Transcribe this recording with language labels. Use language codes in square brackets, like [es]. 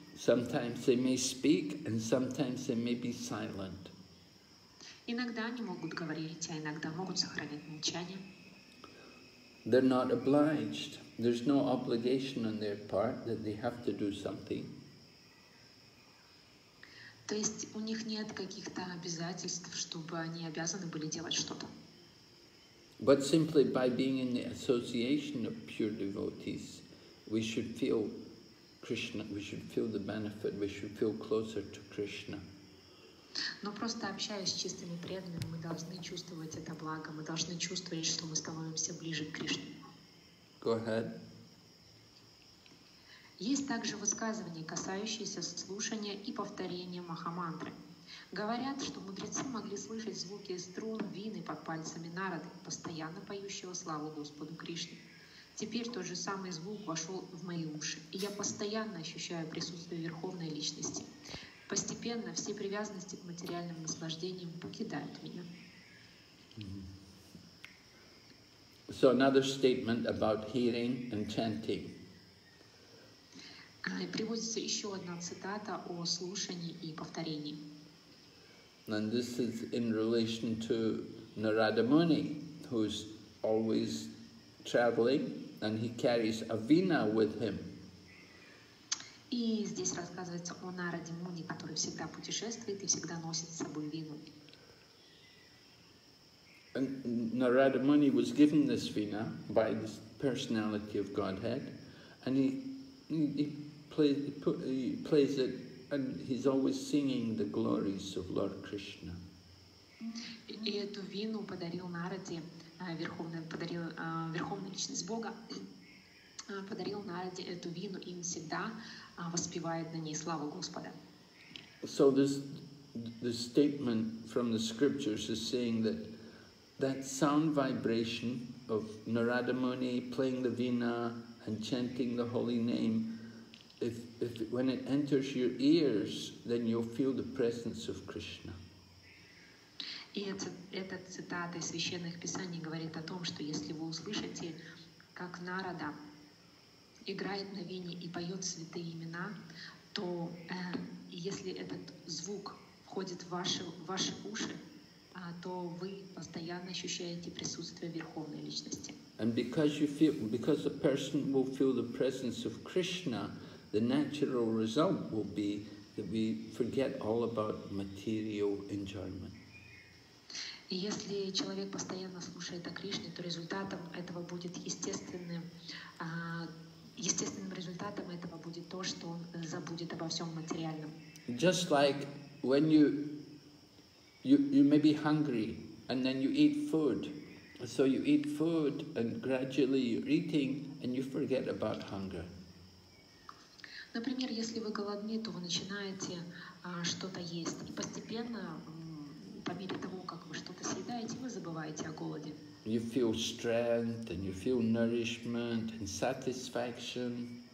[en] Sometimes they may speak and sometimes they may be silent. [ru] Иногда они могут говорить, а иногда могут сохранять молчание. [en] They're not obliged. There's no obligation on their part that they have to do something. [ru] То есть у них нет каких-то обязательств, чтобы они обязаны были делать что-то. [en] But simply by being in the association of pure devotees, we should feel Krishna, we should feel the benefit, we should feel closer to Krishna. [ru] Но просто общаясь с чистыми преданными, мы должны чувствовать это благо, мы должны чувствовать, что мы становимся ближе к Кришне. [en] Go ahead. [ru] Есть также высказывания, касающиеся слушания и повторения Махамантры. Говорят, что мудрецы могли слышать звуки струн, вины под пальцами Нарады, постоянно поющего славу Господу Кришне. Теперь тот же самый звук вошел в мои уши, и я постоянно ощущаю присутствие Верховной Личности. Постепенно все привязанности к материальным наслаждениям покидают меня. [en] So another statement about hearing and chanting. [ru] Приводится еще одна цитата о слушании и повторении. [en] And this is in relation to Narada Muni, who's always traveling, and he carries a vina with him. [ru] И здесь рассказывается о Нараде Муни, который всегда путешествует и всегда носит с собой вину. [en] And Narada Muni was given this vina by the personality of Godhead, and he plays it, and he's always singing the glories of Lord Krishna. [ru] И эту вину подарил Нараде, Верховная Личность Бога, подарил Нараде эту вину, и он всегда воспевает на ней славу Господа. [en] So this statement from the scriptures is saying that sound vibration of Narada Muni playing the vina and chanting the holy name, if when it enters your ears, then you'll feel the presence of Krishna. [ru] И эта цитата из священных писаний говорит о том, что если вы услышите, как Нарада играет на вине и поет святые имена, то если этот звук входит в ваши уши, то вы постоянно ощущаете присутствие Верховной Личности. [en] And because a person will feel the presence of Krishna, the natural result will be that we forget all about material enjoyment. [ru] И если человек постоянно слушает о Кришне, то результатом этого будет естественным результатом этого будет то, что он забудет обо всем материальном. [en] Just like when you may be hungry and then you eat food, so you eat food and gradually you're eating and you forget about hunger. [ru] Например, если вы голодны, то вы начинаете что-то есть и постепенно, по мере того, как вы что-то съедаете, вы забываете о голоде. [en] You feel strength and you feel nourishment and satisfaction.